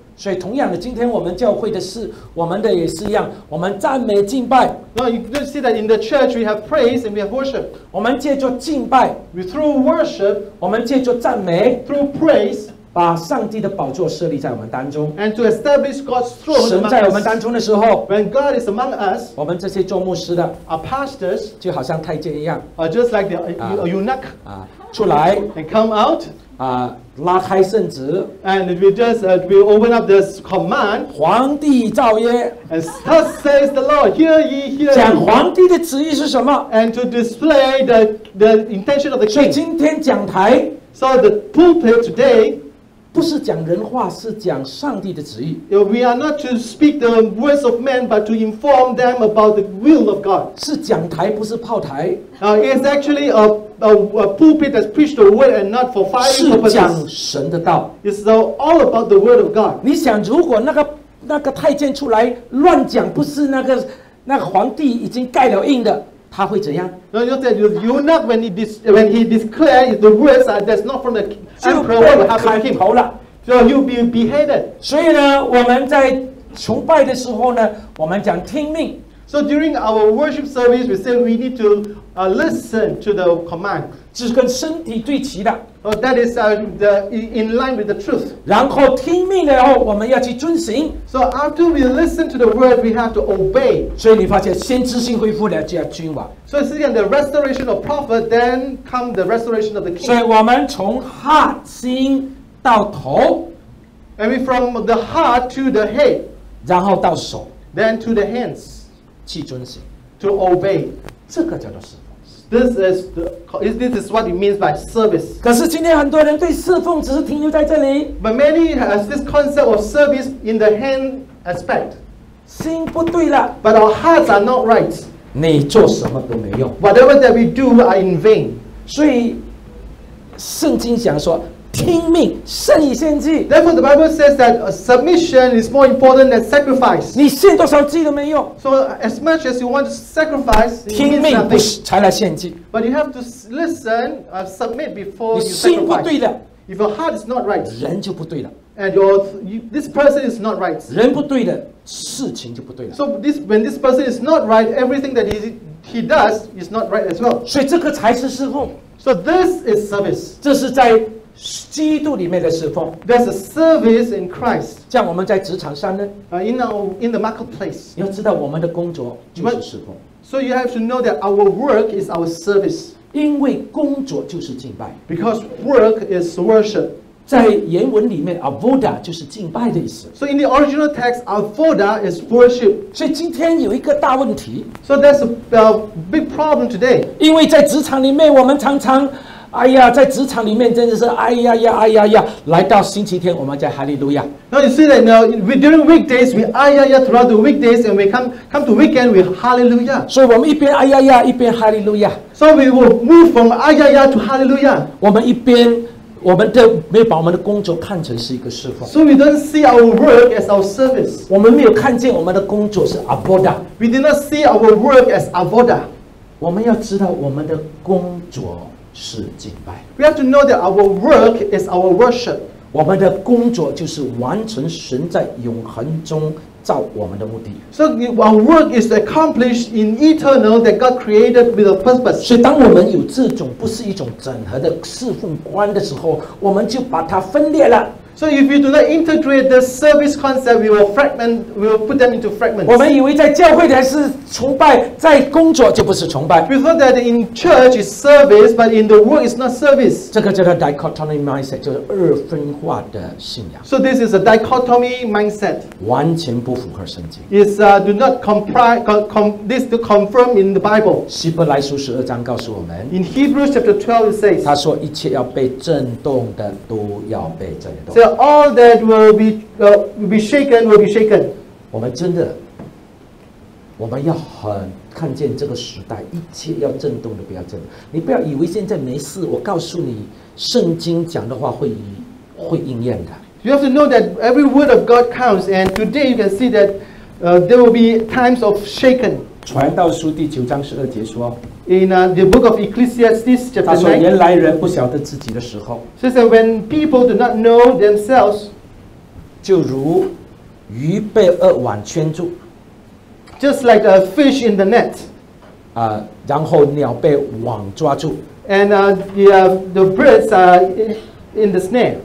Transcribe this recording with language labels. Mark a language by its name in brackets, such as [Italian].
[Chinese] 所以同样的，今天我们教会的是我们的也是一样，我们赞美敬拜。 [English] No, you can see that in the church we have praise and we have worship. [Chinese] 我们借着敬拜 [English] through worship, [Chinese] 我们借着赞美 [English] through praise, [Chinese] 把上帝的宝座设立在我们当中 [English] and to establish God's throne. [Chinese] 神在我们当中的时候 [English] when God is among us, [Chinese] 我们这些做牧师的 [English] our pastors, [Chinese] 就好像太监一样 [English] just like the eunuch, [Chinese] 出来 [English] and come out. [Chinese] 拉开圣旨 [English] and we open up this command. [Chinese] 皇帝召耶 [English] and thus says the Lord, hear ye, hear ye. [Chinese] 讲皇帝的旨意是什么 [English] and to display the intention of the king. [Chinese] 所以今天讲台 [English] so the pulpit today, [Chinese] 不是讲人话，是讲上帝的旨意。 [English] We are not to speak the words of men, but to inform them about the will of God. [Chinese] 是讲台，不是炮台。 [English] It's actually a pulpit that preached the word and not for firing purposes. [Chinese] 是讲神的道。 [English] It's all about the word of God. [Chinese] 你想，如果那个太监出来乱讲，不是那个皇帝已经盖了印的，他会怎样？ [English] No, you said the eunuch when he declared the words that's not from the emperor, what will happen to him? [Chinese] 就被砍头 [English] 了。So you'll be beheaded. [Chinese] 所以呢，我们在崇拜的时候呢，我们讲听命。 [English] So during our worship service, we say we need to listen to the command. [Chinese] 是跟身体对齐的。 [English] That is in line with the truth. [Chinese] 然后听命了以后，我们要去遵行。 [English] So after we listen to the word, we have to obey. [Chinese] 所以你发现先知性恢复了，就要君王。 [English] So it's again the restoration of prophet, then come the restoration of the king. [Chinese] 所以我们从 heart 心到头 [English] ，and we from the heart to the head, [Chinese] 然后到手 [English] ，then to the hands, [Chinese] 去遵行 [English] ，to obey. [Chinese] 这个叫做是。 [English] This is what it means by service. [Chinese] 可是今天很多人对侍奉只是停留在这里。 [English] But many has this concept of service in the hand aspect. [Chinese] 心不对了。 [English] But our hearts are not right. [Chinese] 你做什么都没用。 [English] Whatever that we do are in vain. [Chinese] 所以圣经讲说，听命胜于献祭。 [English] Therefore, the Bible says that submission is more important than sacrifice. [Chinese] 你献多少祭都没用。 [English] So as much as you want to sacrifice, [Chinese] 听命不才来献祭。 [English] But you have to listen, submit before you sacrifice. [Chinese] 你心不对的。 [English] If your heart is not right, [Chinese] 人就不对了。 [English] And your this person is not right. [Chinese] 人不对的事情就不对了。 [English] So this when this person is not right, everything that he does is not right as well. [Chinese] 所以这个才是侍奉。 [English] So this is service. [Chinese] 这是在基督里面的侍奉。 [English] There's a service in Christ. [Chinese] 这样我们在职场上呢 [English] ？In the marketplace. [Chinese] 你要知道我们的工作就是侍奉。 [English] So you have to know that our work is our service. [Chinese] 因为工作就是敬拜。 [English] Because work is worship. [Chinese] 在原文里面 ，avoda 就是敬拜的意思。 [English] So in the original text, avoda is worship. [Chinese] 所以今天有一个大问题。 [English] So that's a big problem today. [Chinese] 因为在职场里面，我们常常，哎呀，在职场里面真的是，哎呀呀，哎呀呀，来到星期天，我们在哈利路亚。 [English] Now you see that now during weekdays we 哎呀呀 throughout the weekdays and we come to weekend we hallelujah. [Chinese] 所以我们一边哎呀呀，一边哈利路亚。 [English] So we will move from 哎呀呀 to hallelujah. [Chinese] 我们一边。我们的没有把我们的工作看成是一个侍奉。 [English] So we don't see our work as our service. [Chinese] 我们没有看见我们的工作是 avoda. [English] We did not see our work as avoda. [Chinese] 我们要知道我们的工作是敬拜。 [English] We have to know that our work is our worship. [Chinese] 我们的工作就是完成神在永恒中造我们的目的。 [English] So our work is accomplished in eternal that God created with a purpose. [Chinese] 所以当我们有这种不是一种整合的侍奉观的时候，我们就把它分裂了。 [English] So if we do not integrate the service concept, we will put them into fragments. [Chinese] 我们以为在教会才是崇拜，在工作就不是崇拜。 [English] We thought that in church is service, but in the work is not service. [Chinese] 这个叫做 [English] dichotomy mindset， [Chinese] 就是二分化的信仰。 [English] So this is a dichotomy mindset. [Chinese] 完全不符合圣经。 [English] It's do not comply this to confirm in the Bible. [Chinese] 希伯来书十二章告诉我们。 [English] In Hebrews chapter 12 it says. [Chinese] 他说一切要被震动的都要被震动。 [English] So all that will be shaken will be shaken. [Chinese] 我们真的。我们要很看见这个时代一切要震动的不要震动，你不要以为现在没事，我告诉你圣经讲的话会应验的。 [English] You have to know that every word of God counts and today you can see that there will be times of shaken. [Chinese] 传道书第九章十二节说 [English] In the book of Ecclesiastes chapter 9, [Chinese] 他说原来人不晓得自己的时候 [English] So that when people do not know themselves [Chinese] 就如鱼被恶网圈住， [English] Just like a fish in the net. [Chinese] 然后鸟被网抓住。 [English] And the birds are in the snare.